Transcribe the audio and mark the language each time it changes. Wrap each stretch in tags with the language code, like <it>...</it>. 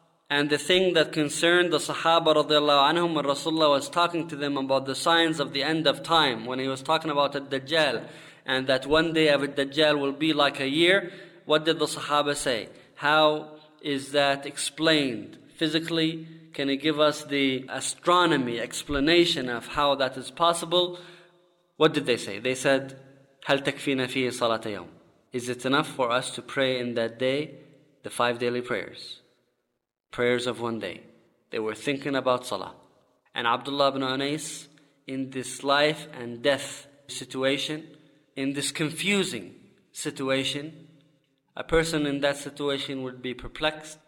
<en>And the thing that concerned the Sahaba radiallahu anhum when Rasulullah was talking to them about the signs of the end of time, when he was talking about al-Dajjal, and that one day of al-Dajjal will be like a year, what did the Sahaba say? How is that explained physically? Can he give us the astronomy explanation of how that is possible? What did they say? They said,</en> <ar>هَلْ تَكْفِينَ فِيهِ صَلَاتَ يَوْمٍ.</ar> <en>Is it enough for us to pray in that day the five daily prayers? Prayers of one day. They were thinking about salah. And Abdullah ibn Anais, in this life and death situation, in this confusing situation, a person in that situation would be perplexed.</en>